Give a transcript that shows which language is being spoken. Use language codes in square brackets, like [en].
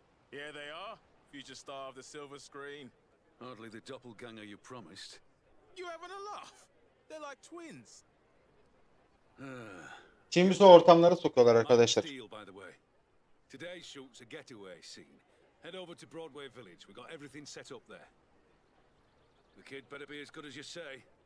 [en] Here they are, future star of the silver screen. Hardly the doppelganger you promised. You having a laugh? They're like twins. [tr] Kim bizi ortamlara sokuyorlar arkadaşlar. [en] Today's shoot's a getaway scene. Head over to Broadway Village. We got everything set up there. The kid better be as good as you say.